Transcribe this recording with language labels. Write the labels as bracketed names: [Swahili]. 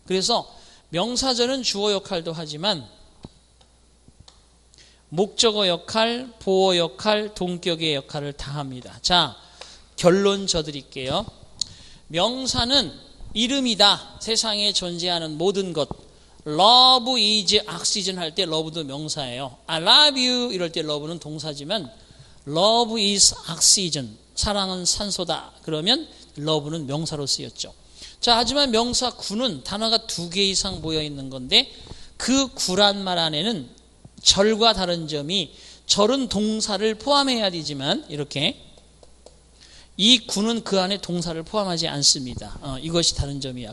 [Korean] 그래서 명사절은 주어 역할도 하지만 목적어 역할, 보어 역할, 동격의 역할을 다 합니다. 자, 결론 저드릴게요. 명사는 이름이다. 세상에 존재하는 모든 것. [English] Love is oxygen [Korean] 할 때 love도 명사예요. [English] I love you [Korean] 이럴 때 love는 동사지만 [English] love is oxygen. [Korean] 사랑은 산소다. 그러면 love는 명사로 쓰였죠. 자, 하지만 명사 구는 단어가 두 개 이상 모여 있는 건데 그 구란 말 안에는 절과 다른 점이 절은 동사를 포함해야 되지만 이렇게 이 구는 그 안에 동사를 포함하지 않습니다. 이것이 다른 점이야.